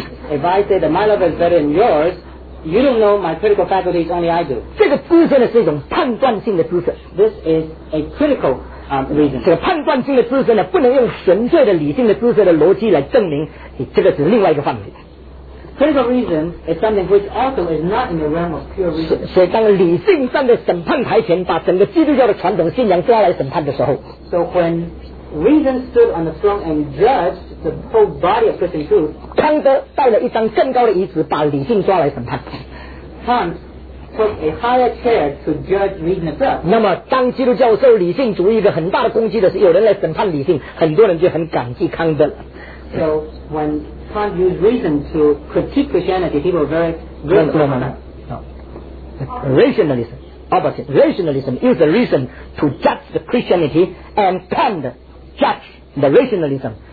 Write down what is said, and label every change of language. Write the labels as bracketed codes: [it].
[en] If I say that my love is better than yours. You don't know my critical faculties, only I do. [zh] 这个知识呢是一种判断性的知识。 [en] This is a critical reason. [zh] 这个判断性的知识呢，不能用纯粹的理性的知识的逻辑来证明，这个是另外一个范围。 [en] Critical reason is something which also is not in the realm of pure reason. [zh] 所以当理性站在审判台前，把整个基督教的传统信仰抓来审判的时候 [en] ，So when reason stood on the throne and judged. The whole body of Christian truth. [zh] 康德带了一张更高的椅子，把理性抓来审判。 [en] Kant took a higher chair to judge reason itself. [zh] 那么，当基督教受理性主义的很大的攻击的时候，有人来审判理性，很多人就很感激康德了。 [en] So when Kant used reason to critique Christianity, people were very grateful. Rationalism is the reason to judge the Christianity, and Kant judged the rationalism.